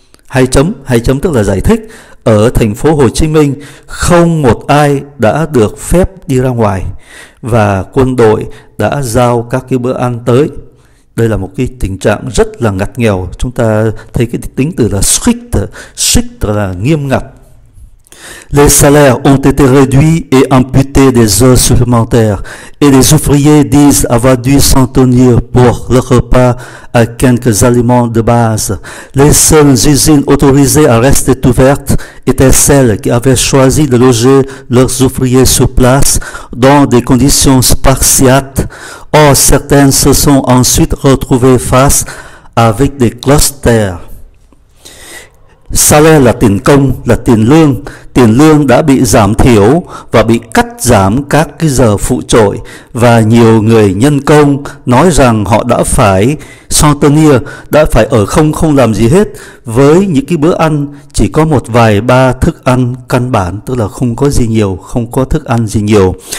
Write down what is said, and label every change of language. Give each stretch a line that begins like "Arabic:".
Vietnamese: Hai chấm tức là giải thích. Ở thành phố Hồ Chí Minh, không một ai đã được phép đi ra ngoài, và quân đội đã giao các cái bữa ăn tới. Đây là một cái tình trạng rất là ngặt nghèo. Chúng ta thấy cái tính từ là strict. Strict là nghiêm ngặt.
French: Les salaires ont été réduits et amputés des heures supplémentaires, et les ouvriers disent avoir dû s'en tenir pour le repas à quelques aliments de base. Les seules usines autorisées à rester ouvertes étaient celles qui avaient choisi de loger leurs ouvriers sur place dans des conditions spartiates. Or, certaines se sont ensuite retrouvées face avec des clusters.
Vietnamese: Salaire là tiền công, là tiền lương. Tiền lương đã bị giảm thiểu và bị cắt giảm các cái giờ phụ trội, và nhiều người nhân công nói rằng họ đã phải
French: s'en tenir,
Vietnamese: đã phải ở không, không làm gì hết, với những cái bữa ăn chỉ có một vài ba thức ăn căn bản, tức là không có gì nhiều, không có thức ăn gì nhiều.